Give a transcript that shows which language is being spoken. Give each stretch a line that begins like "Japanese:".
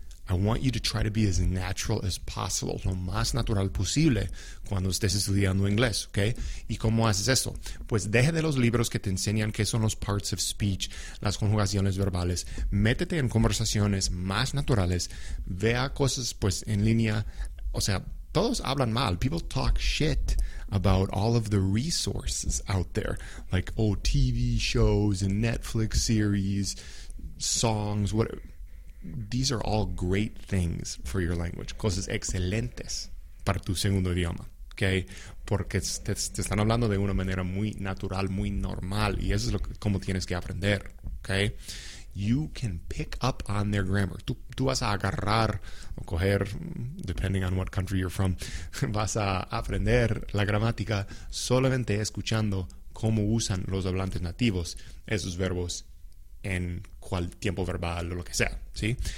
English: I want you to try to be as natural as possible,
Spanish: lo más natural posible cuando estés estudiando inglés, ¿okay? ¿Y cómo haces eso? Pues deje de los libros que te enseñan qué son los
English: parts of speech,
Spanish: las conjugaciones verbales. Métete en conversaciones más naturales. Vea cosas, pues, en línea, o sea, todos hablan mal.
English: People talk shit about all of the resources out there, like old TV shows and Netflix series, songs, whatever. These are all great things for your language.
Spanish: Cosas excelentes para tu segundo idioma, okay? Porque te están hablando de una manera muy natural, muy normal, y eso es como tienes que aprender, okay?
English: You can pick up on their grammar.
Spanish: Tú vas a agarrar o coger,
English: depending on what country you're from,
Spanish: vas a aprender la gramática solamente escuchando cómo usan los hablantes nativos esos verbos en cual tiempo verbal o lo que sea, ¿sí?